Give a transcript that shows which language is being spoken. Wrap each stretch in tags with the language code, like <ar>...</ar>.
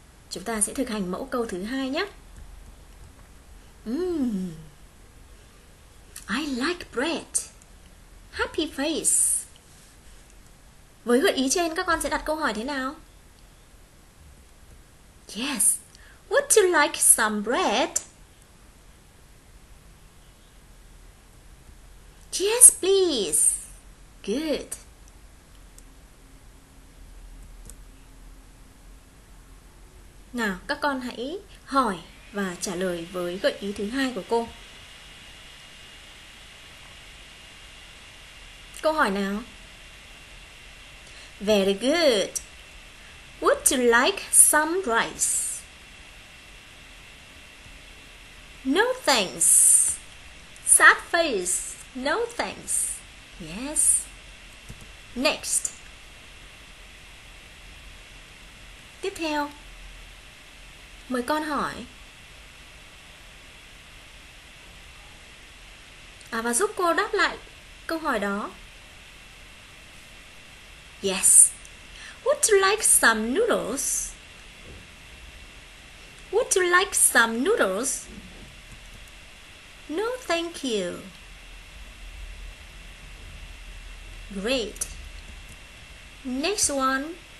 <vi>Chúng ta sẽ thực hành mẫu câu thứ hai nhé.</vi> <en>I like bread. Happy face.</en> <vi>Với gợi ý trên, các con sẽ đặt câu hỏi thế nào?</vi> <en>Yes. Would you like some bread? Yes, please. Good.</en> <vi>Nào, các con hãy hỏi và trả lời với gợi ý thứ hai của cô. Câu hỏi nào?</vi> <en>Very good. Would you like some rice? No thanks. Sad face. No thanks. Yes. Next.</en> <vi>Tiếp theo. Mời con hỏi. À và giúp cô đáp lại câu hỏi đó.</vi> <en>Yes. Would you like some noodles? Would you like some noodles? No, thank you. Great. Next one.</en>